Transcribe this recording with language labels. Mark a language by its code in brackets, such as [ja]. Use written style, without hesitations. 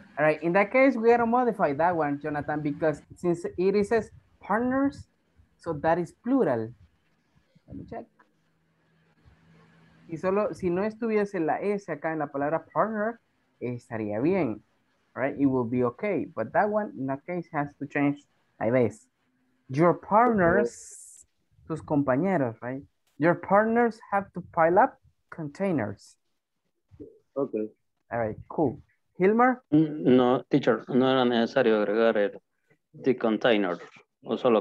[en] All right, in that case, we're gonna modify that one, Jonathan, because since it says partners, so that is plural. Let me check. [es] Y solo, si no estuviese la S acá en la palabra partner, estaría bien, [en] right? It will be okay. But that one, in that case, has to change like this. Your partners, [es] tus compañeros, [en] right? Your partners have to pile up containers. Okay. All right, cool. Hilmar? [es] No, teacher, no era necesario agregar el the container, o solo